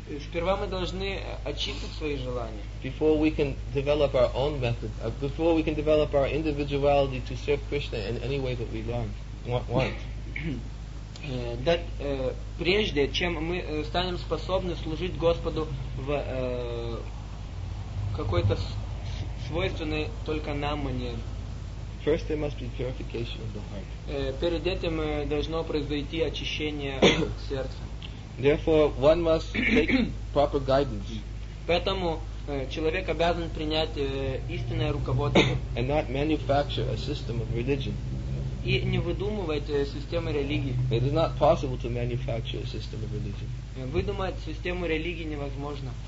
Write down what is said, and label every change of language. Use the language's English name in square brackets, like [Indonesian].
[Russian] Сперва мы должны очистить свои желания. [English] Before we can develop our own method, before we can develop our individuality to serve Krishna in any way that we learn, want. [Russian] Прежде чем мы станем способны служить Господу в какой-то свойственной только нам манере. [English] First there must be purification of the heart. [Russian] Перед этим должно произойти очищение сердца. [English] Therefore, one must take proper guidance. [Russian] Поэтому человек обязан принять истинное руководство. [English] And not manufacture a system of religion. [Russian] И не выдумывать систему религии. [English] It is not possible to manufacture a system of religion. [Russian] Выдумать систему религии невозможно.